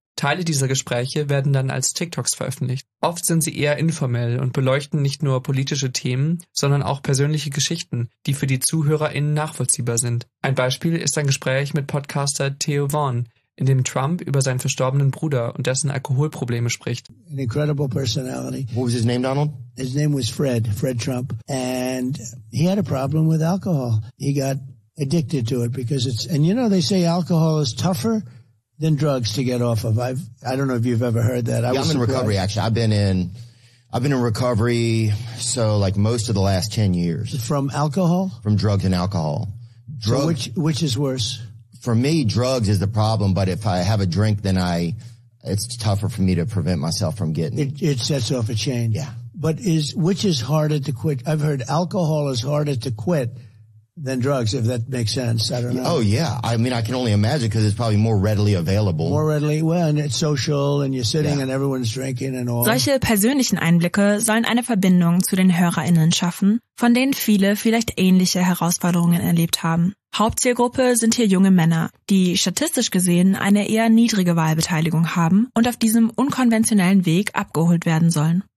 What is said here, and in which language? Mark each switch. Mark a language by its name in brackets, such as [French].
[German] Teile dieser Gespräche werden dann als TikToks veröffentlicht. Oft sind sie eher informell und beleuchten nicht nur politische Themen, sondern auch persönliche Geschichten, die für die ZuhörerInnen nachvollziehbar sind. Ein Beispiel ist ein Gespräch mit Podcaster Theo Vaughn, in dem Trump über seinen verstorbenen Bruder und dessen Alkoholprobleme spricht. [English] An incredible personality. What was his name, Donald? His name was Fred Trump. And he had a problem with alcohol. He got addicted to it because it's, and you know, they say alcohol is tougher than drugs to get off of. I don't know if you've ever heard that. Yeah, I'm in recovery, actually. I've been in recovery, so like most of the last 10 years. From alcohol? From drugs and alcohol. Drugs. So which is worse? For me, drugs is the problem, but if I have a drink, then it's tougher for me to prevent myself from getting it. It sets off a chain. Yeah. But which is harder to quit? I've heard alcohol is harder to quit than drugs, if that makes sense. I don't know. Oh, yeah. I mean, I can only imagine because it's probably more readily available. More readily, well, and it's social and you're sitting yeah. and everyone's drinking and all. [German] Solche persönlichen Einblicke sollen eine Verbindung zu den HörerInnen schaffen, von denen viele vielleicht ähnliche Herausforderungen erlebt haben. Hauptzielgruppe sind hier junge Männer, die statistisch gesehen eine eher niedrige Wahlbeteiligung haben und auf diesem unkonventionellen Weg abgeholt werden sollen.